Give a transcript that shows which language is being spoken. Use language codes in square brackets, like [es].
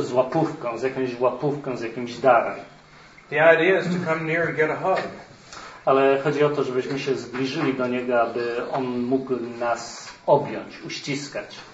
[pl] Z łapówką, z jakąś łapówką, z jakimś darem. [en] The idea is to come near and get a hug. [pl] Ale chodzi o to, żebyśmy się zbliżyli do Niego, aby On mógł nas objąć, uściskać.